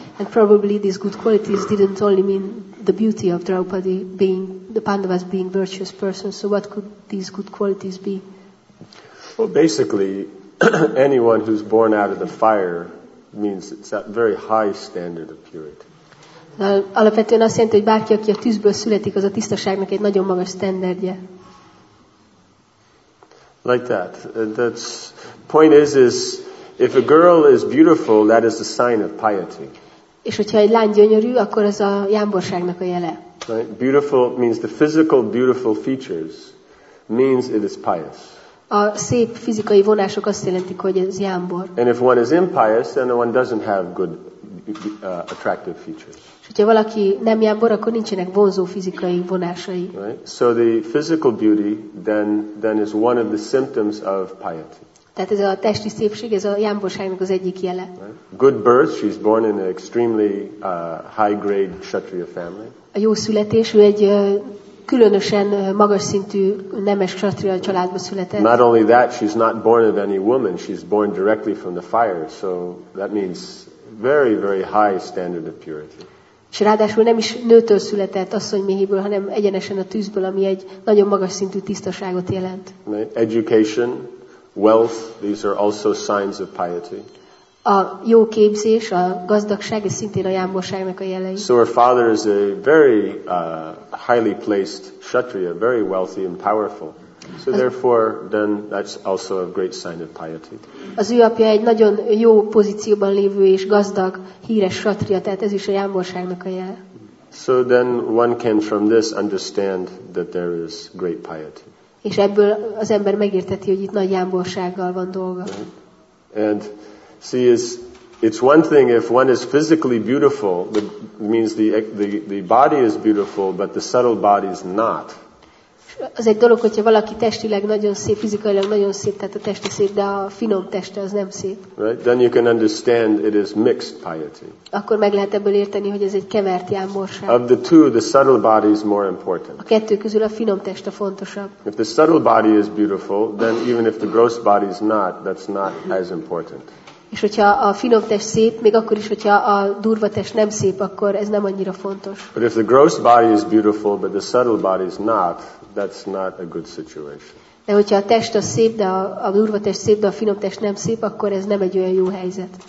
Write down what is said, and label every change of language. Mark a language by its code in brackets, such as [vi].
[en] And probably these good qualities didn't only mean the beauty of Draupadi being the Pandavas being virtuous persons. So, what could these good qualities be? Well, basically, anyone who's born out of the fire means it's a very high standard of purity. [hu] Alapvetően azt jelenti, hogy bárki, aki a tűzből születik, az a tisztaságnak egy nagyon magas standardje. [en] Like that. That's point is if a girl is beautiful, that is a sign of piety. [hu] És hogyha egy lány gyönyörű, akkor az a jámborságnak a jele. [en] Right? Beautiful means the physical beautiful features means it is pious. [hu] A szép fizikai vonások azt jelentik, hogy ez jámbor. [en] And if one is impious, then one doesn't have good attractive features. [hu] Hogyha valaki nem jámbor, akkor nincsenek vonzó fizikai vonásai. [en] Right? So the physical beauty then is one of the symptoms of piety. [hu] Tehát ez a testi szépség, ez a jámborságnak az egyik jele. [en] Right? Good birth, she's born in an extremely high grade kshatriya family. [hu] A jó születés, ő egy különösen magas szintű nemes kshatriya családba született. [en] Not only that, she's not born of any woman, she's born directly from the fire. So that means very very high standard of purity. [hu] És ráadásul nem is nőtől született asszonyméhéből, hanem egyenesen a tűzből, ami egy nagyon magas szintű tisztaságot jelent. [en] Education, wealth, these are also signs of piety. [hu] A jó képzés, a gazdagság, ez szintén a jámborságnak a jelei. [en] So her father is a very highly placed kshatriya, very wealthy and powerful. So therefore, then that's also a great sign of piety. [hu] Az ő apja egy nagyon jó pozícióban lévő és gazdag, híres satria, tehát ez is a jámborságnak a jel. [en] So then one can from this understand that there is great piety. [hu] És ebből az ember megérteti, hogy itt nagy jámborsággal van dolga. [en] And see, it's one thing if one is physically beautiful, that means the body is beautiful, but the subtle body is not. [hu] Az egy dolog, hogyha valaki testileg nagyon szép, fizikailag nagyon szép, tehát a teste szép, de a finom teste az nem szép. [en] Right? Then you can understand it is mixed piety. [hu] Akkor meg lehet ebből érteni, hogy ez egy kevert jámborság. [en] Of the two, the subtle body is more important. [hu] A kettő közül a finom teste fontosabb. [en] If the subtle body is beautiful, then even if the gross body is not, that's not as important. [hu] És hogyha a finom test szép, még akkor is, hogyha a durva test nem szép, akkor ez nem annyira fontos. [en] But if the gross body is beautiful, but the subtle body is not, that's not a good situation. [hu] De hogyha a test a szép, de a durva test szép, de a finom test nem szép, akkor ez nem egy olyan jó helyzet.